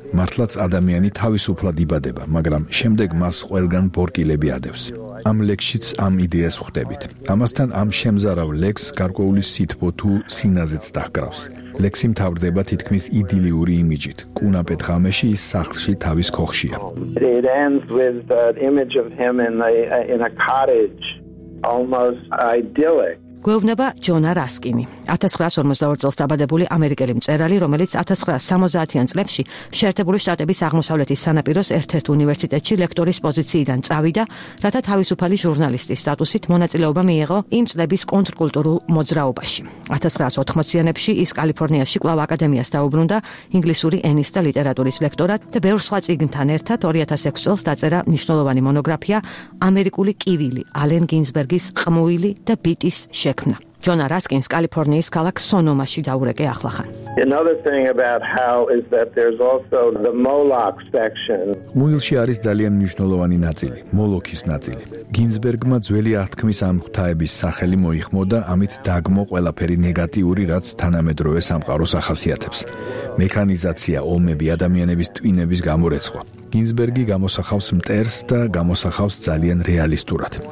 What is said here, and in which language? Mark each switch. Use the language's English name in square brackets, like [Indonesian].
[Georgian] მართლაც ადამიანი თავისუფლად იბადება, მაგრამ შემდეგ მას ყველგან ბორკილები ადევს. ამ ლექსშიც ამ იდეას ხვდებით. ამასთან ამ შემზარავ ლექს გარკვეული სითბო თუ სინაზეც დაჰკრავს. ლექსი მთავრდება თითქმის იდილიური იმიჯით. კუნაპეთ ღამეში ის სახლში თავის ქოხშია. [English] It ends with the image of him in a cottage, almost idyllic. [Georgian] გვევნება ჯონა რასკინი, 1952 წელს დაბადებული ამერიკელი მწერალი, რომელიც 1970-იან წლებში შეერთებული შტატების აღმოსავლეთის სანაპიროს ერთ-ერთ უნივერსიტეტში ლექტორის პოზიციიდან წავიდა, რათა თავისუფალი ჟურნალისტის სტატუსით მონაწილეობა მიეღო იმ წლების კონტრკულტურულ მოძრაობაში. 1980-იანებში ის კალიფორნიაში კვლავ აკადემიას დაუბრუნდა ინგლისური ენის და ლიტერატურის ლექტორად და ბევრ სხვა წიგნთან ერთად 2006 წელს დაწერა მნიშვნელოვანი მონოგრაფია ამერიკული კივილი, ალენ გინზბერგის ყმუილი და ბიტის შექმნა. ჯონა რასკინს კალიფორნიის ქალაქ სონომაში დაურეკე ახლახან. [English] Another thing about how is that there's also the Moloch section. [Georgian] მუილში არის ძალიან მნიშვნელოვანი ნაწილი, მოლოქის ნაწილი. გინზბერგმა ძველი აღთქმის ამ ღვთაების სახელი მოიხმოდა, ამით დაგმო ყველაფერი ნეგატიური, რაც თანამედროვე სამყაროს ახასიათებს. მექანიზაცია, ომები, ადამიანების ტვინების გამორეცხვა. გინზბერგი გამოსახავს მტერს და გამოსახავს ძალიან რეალისტურად.